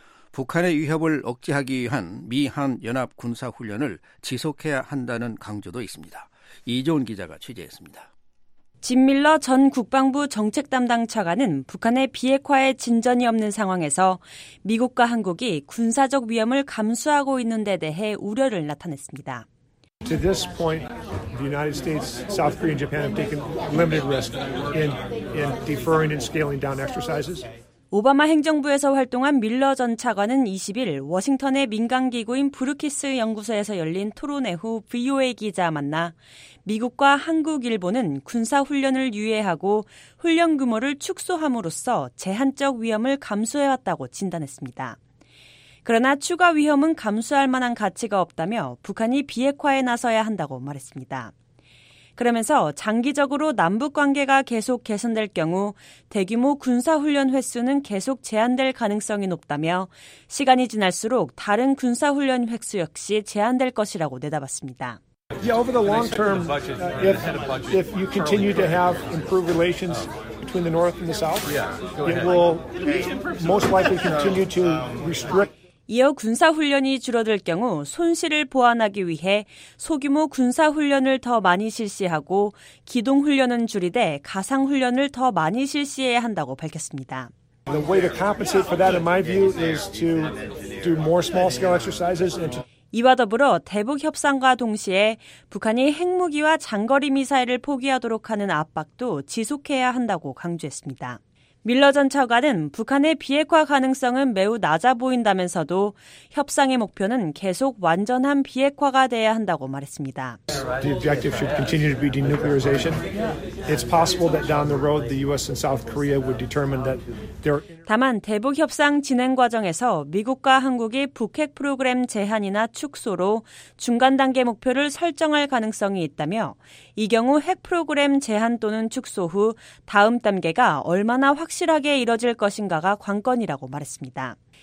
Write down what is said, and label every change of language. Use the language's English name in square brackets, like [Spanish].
[Korean] 북한의 위협을 억제하기 위한 미한 연합 군사 훈련을 지속해야 한다는 강조도 있습니다. 이종훈 기자가 취재했습니다. 짐 밀러 전 국방부 정책 담당 차관은 북한의 비핵화에 진전이 없는 상황에서 미국과 한국이 군사적 위험을 감수하고 있는 데 대해 우려를 나타냈습니다. [English] To this point, the United States, South Korea, and Japan have taken limited risk in deferring and scaling down exercises. [Korean] 오바마 행정부에서 활동한 밀러 전 차관은 20일 워싱턴의 민간기구인 브루키스 연구소에서 열린 토론회 후 VOA 기자와 만나 미국과 한국, 일본은 군사훈련을 유예하고 훈련 규모를 축소함으로써 제한적 위험을 감수해왔다고 진단했습니다. 그러나 추가 위험은 감수할 만한 가치가 없다며 북한이 비핵화에 나서야 한다고 말했습니다. 그러면서 장기적으로 남북관계가 계속 개선될 경우 대규모 군사훈련 횟수는 계속 제한될 가능성이 높다며 시간이 지날수록 다른 군사훈련 횟수 역시 제한될 것이라고 내다봤습니다. [English] Yeah, over the long term, if you continue to have improved relations between the North and the South, it will most likely continue to restrict. [Korean] 이어 군사훈련이 줄어들 경우 손실을 보완하기 위해 소규모 군사훈련을 더 많이 실시하고 기동훈련은 줄이되 가상훈련을 더 많이 실시해야 한다고 밝혔습니다. [English] The way to compensate for that, in my view, is to do more small-scale exercises and to [Korean] 이와 더불어 대북 협상과 동시에 북한이 핵무기와 장거리 미사일을 포기하도록 하는 압박도 지속해야 한다고 강조했습니다. 밀러 전 차관은 북한의 비핵화 가능성은 매우 낮아 보인다면서도 협상의 목표는 계속 완전한 비핵화가 돼야 한다고 말했습니다. [English] The objective should continue to be denuclearization. It's possible that down the road the US and South Korea would determine that there [Korean] 다만 대북 협상 진행 과정에서 미국과 한국이 북핵 프로그램 제한이나 축소로 중간 단계 목표를 설정할 가능성이 있다며 이 경우 핵 프로그램 제한 또는 축소 후 다음 단계가 얼마나 확실하게 이뤄질 것인가가 관건이라고 말했습니다.